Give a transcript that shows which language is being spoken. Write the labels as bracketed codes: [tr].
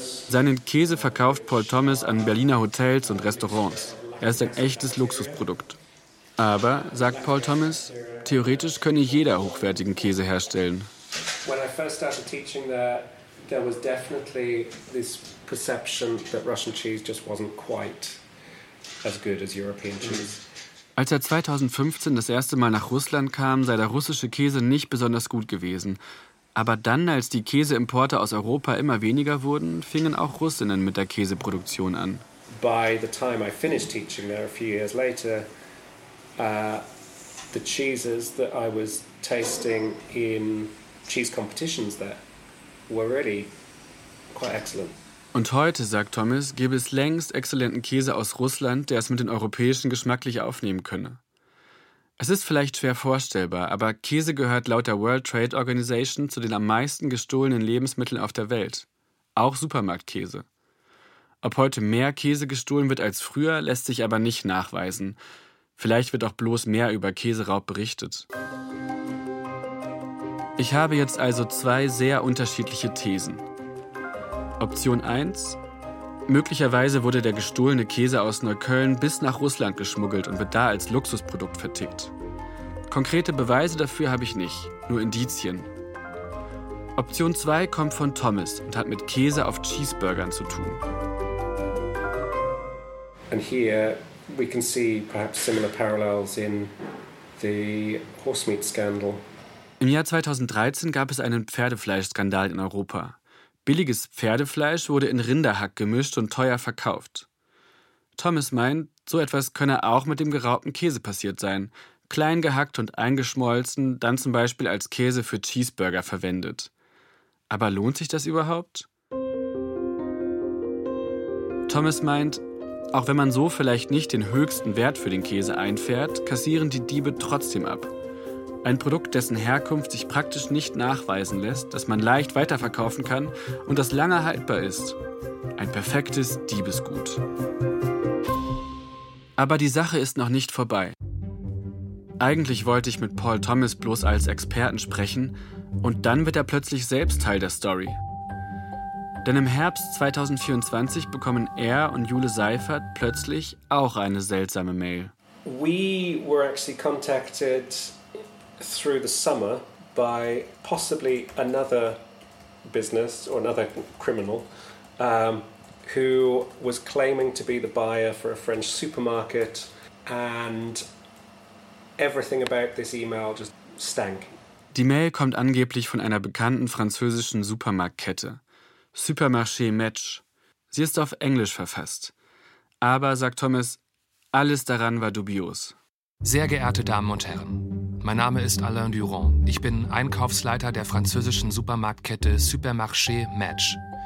[de] Seinen Käse verkauft Paul Thomas an Berliner Hotels und Restaurants. Er ist ein echtes Luxusprodukt. Aber, sagt Paul Thomas, theoretisch könne jeder hochwertigen Käse herstellen. [en] When I first started teaching there, there was definitely this perception that Russian cheese just wasn't quite as good as European cheese. [de] Als er 2015 das erste Mal nach Russland kam, sei der russische Käse nicht besonders gut gewesen. Aber dann, als die Käseimporte aus Europa immer weniger wurden, fingen auch Russinnen mit der Käseproduktion an. [en] By the time I finished teaching there a few years later, the cheeses that I was tasting in cheese competitions there were really quite excellent. [de] Und heute, sagt Thomas, gäbe es längst exzellenten Käse aus Russland, der es mit den europäischen geschmacklich aufnehmen könne. Es ist vielleicht schwer vorstellbar, aber Käse gehört laut der World Trade Organization zu den am meisten gestohlenen Lebensmitteln auf der Welt. Auch Supermarktkäse. Ob heute mehr Käse gestohlen wird als früher, lässt sich aber nicht nachweisen. Vielleicht wird auch bloß mehr über Käseraub berichtet. Ich habe jetzt also 2 sehr unterschiedliche Thesen. Option 1. Möglicherweise wurde der gestohlene Käse aus Neukölln bis nach Russland geschmuggelt und wird da als Luxusprodukt vertickt. Konkrete Beweise dafür habe ich nicht, nur Indizien. Option 2 kommt von Thomas und hat mit Käse auf Cheeseburgern zu tun. [en] And here we can see perhaps similar parallels in the horse meat scandal. [de] Im Jahr 2013 gab es einen Pferdefleischskandal in Europa. Billiges Pferdefleisch wurde in Rinderhack gemischt und teuer verkauft. Thomas meint, so etwas könne auch mit dem geraubten Käse passiert sein. Klein gehackt und eingeschmolzen, dann zum Beispiel als Käse für Cheeseburger verwendet. Aber lohnt sich das überhaupt? Thomas meint, auch wenn man so vielleicht nicht den höchsten Wert für den Käse einfährt, kassieren die Diebe trotzdem ab. Ein Produkt, dessen Herkunft sich praktisch nicht nachweisen lässt, das man leicht weiterverkaufen kann und das lange haltbar ist. Ein perfektes Diebesgut. Aber die Sache ist noch nicht vorbei. Eigentlich wollte ich mit Paul Thomas bloß als Experten sprechen und dann wird er plötzlich selbst Teil der Story. Denn im Herbst 2024 bekommen er und Jule Seifert plötzlich auch eine seltsame Mail. [en] We were actually contacted through the summer by possibly another business or another criminal who was claiming to be the buyer for a French supermarket, and everything about this email just stank. [de] Die Mail kommt angeblich von einer bekannten französischen Supermarktkette. Supermarché Match. Sie ist auf Englisch verfasst. Aber, sagt Thomas, alles daran war dubios. Sehr geehrte Damen und Herren, mein Name ist Alain Durand. Ich bin Einkaufsleiter der französischen Supermarktkette Supermarché Match.